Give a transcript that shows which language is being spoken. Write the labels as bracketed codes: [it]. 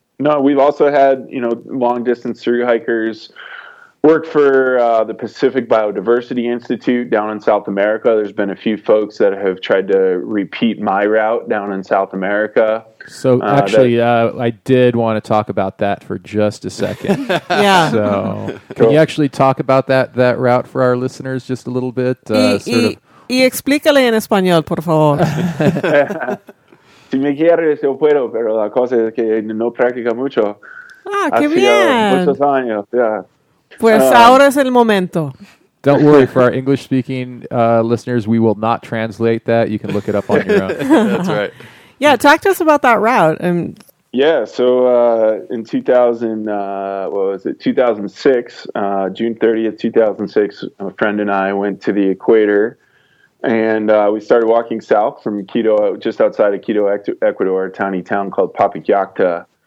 [en] No, we've also had, long distance through hikers work for the Pacific Biodiversity Institute down in South America. There's been a few folks that have tried to repeat my route down in South America. So I did want to talk about that for just a second. Yeah. So can you actually talk about that route for our listeners just a little bit? [es] Y explícale en español, por favor. Si me quieres, yo puedo, pero la cosa es que no practica mucho. Ah, qué bien. Muchos años, yeah. Pues ahora es el momento. [en] Don't worry, for our English-speaking listeners, we will not translate that. You can look it up on your own. That's right. Yeah, talk to us about that route. So in 2006, June 30th, 2006, a friend and I went to the equator, and we started walking south from Quito, just outside of Quito, Ecuador, a tiny town called Papayacta.